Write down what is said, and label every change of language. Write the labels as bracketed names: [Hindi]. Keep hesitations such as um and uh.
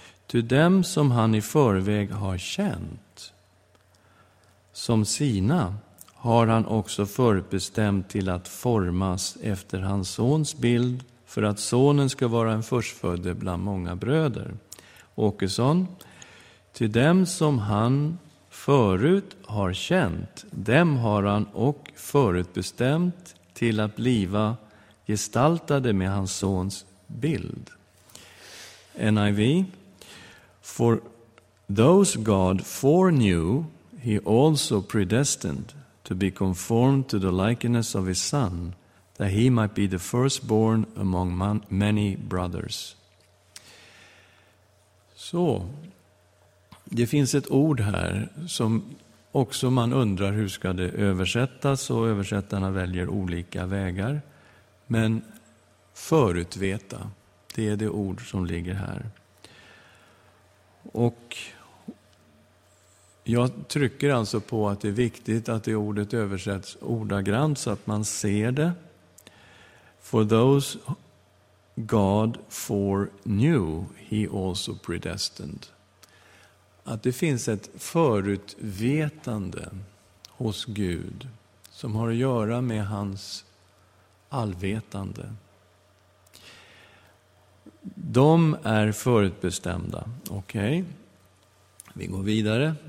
[Swedish] Till dem som han i förväg har känt som sina har han också förutbestämt till att formas efter hans sons bild för att sonen ska vara en förstfödde bland många bröder. Åkesson. Till dem som han förut har känt, dem har han och förutbestämt till att bliva gestaltade med hans sons bild. [English] NIV. For those God foreknew, he also predestined to be conformed to the likeness of his son, that he might be the firstborn among many brothers. [Swedish] Så, det finns ett ord här som också man undrar hur ska det översättas och översättarna väljer olika vägar. Men förutveta, det är det ord som ligger här. Och jag trycker alltså på att det är viktigt att det ordet översätts ordagrant så att man ser det. [English] For those God foreknew, he also predestined. [Swedish] Att det finns ett förutvetande hos Gud som har att göra med hans allvetande. De är förutbestämda. Okej, okay. vi går vidare.